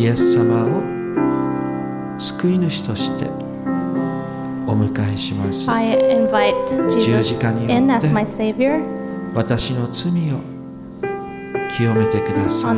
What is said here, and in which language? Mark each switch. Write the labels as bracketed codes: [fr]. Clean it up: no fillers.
[ja] イエス様を救い主としてお迎えします。 [en] I invite Jesus in as my savior. [ja] 私の罪を清めてください。